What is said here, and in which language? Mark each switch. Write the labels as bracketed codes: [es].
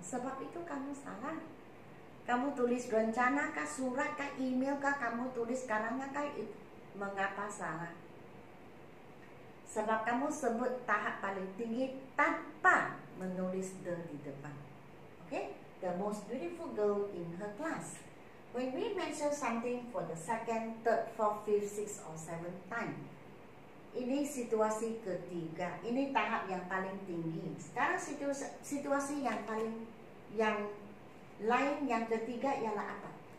[ms] Sebab itu kamu salah. Kamu tulis rencana kah, surat kah, email kah, kamu tulis sekarang kah, mengapa salah? Sebab kamu sebut tahap paling tinggi tanpa menulis the di depan. Okay? [en] The most beautiful girl in her class. When we mention something for the second, third, fourth, fifth, sixth, or seventh time. [ms] Ini situasi ketiga. Ini tahap yang paling tinggi. Sekarang situasi yang paling, yang lain, yang ketiga ialah apa?